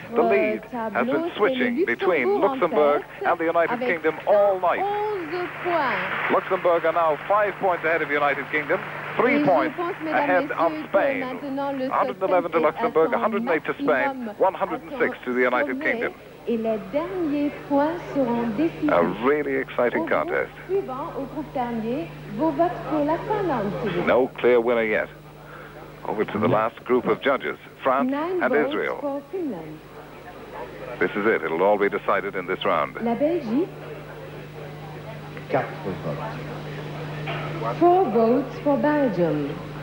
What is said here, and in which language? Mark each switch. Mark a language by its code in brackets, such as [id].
[en] The lead has been switching between Luxembourg and the United Kingdom all night. Luxembourg are now 5 points ahead of the United Kingdom, 3 points ahead of Spain. 111 to Luxembourg, 108 to Spain, 106 to the United Kingdom. [fr] Et les derniers points seront décisifs. [en] A really exciting contest. [fr] Suivant, au groupe dernier, vos votes pour la Finlande. [en] No clear winner yet. Over to the last group of judges, France and Israel. For Finland. This is it. It'll all be decided in this round. [fr] La Belgique. 4 votes. [en] 4 votes for Belgium.